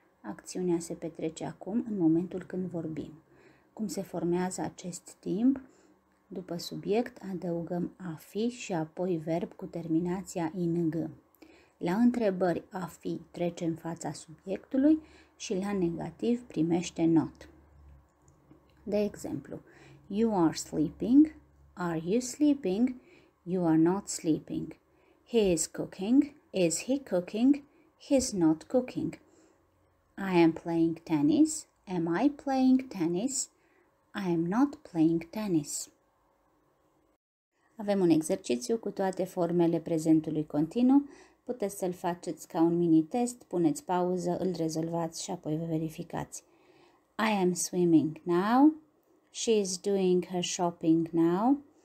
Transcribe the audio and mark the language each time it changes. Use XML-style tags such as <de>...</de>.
<ro>Acțiunea se petrece acum, în momentul când vorbim. Cum se formează acest timp? După subiect adăugăm a fi și apoi verb cu terminația ing. La întrebări a fi trece în fața subiectului și la negativ primește not. De exemplu,</ro> <en>you are sleeping, are you sleeping, you are not sleeping, he is cooking, is he cooking, he's not cooking, I am playing tennis, am I playing tennis, I am not playing tennis.</en> <ro>Avem un exercițiu cu toate formele prezentului continuu. Puteți să-l faceți ca un mini-test, puneți pauză, îl rezolvați și apoi vă verificați.</ro> <en>I am swimming now. She is doing her shopping now.</en>